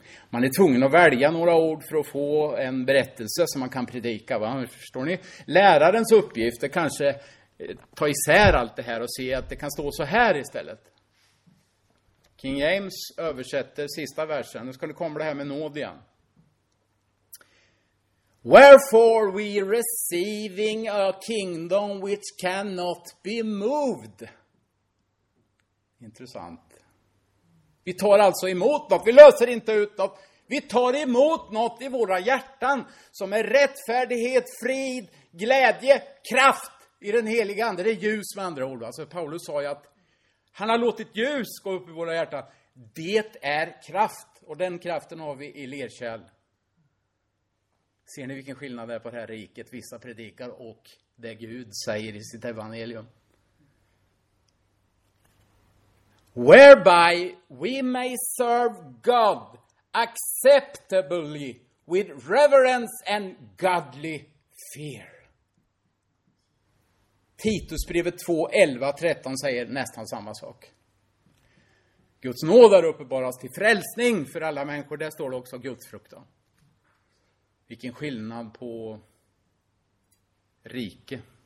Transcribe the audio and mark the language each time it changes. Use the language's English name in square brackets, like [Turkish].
[Swedish] Man är tvungen att välja några ord för att få en berättelse som man kan predika. Va? Förstår ni? Lärarens uppgift är kanske ta isär allt det här och se att det kan stå så här istället. King James översätter sista versen. Nu ska det komma det här med nåd igen. [English] Wherefore we receiving a kingdom which cannot be moved. [Swedish] Intressant. Vi tar alltså emot något. Vi löser inte ut något. Vi tar emot något i våra hjärtan som är rättfärdighet, frid, glädje, kraft i den heliga ande. Det är ljus med andra ord. Alltså Paulus sa ju att han har låtit ljus gå upp i våra hjärtan. Det är kraft. Och den kraften har vi i lerkärl. Ser ni vilken skillnad det är på det här riket? Vissa predikar och det Gud säger i sitt evangelium. [English] Whereby we may serve God acceptably with reverence and godly fear. [Swedish] Titusbrevet 2:11-13 säger nästan samma sak. Guds nåd är uppenbaras till frälsning för alla människor. Där står det också Guds fruktan. Vilken skillnad på rike.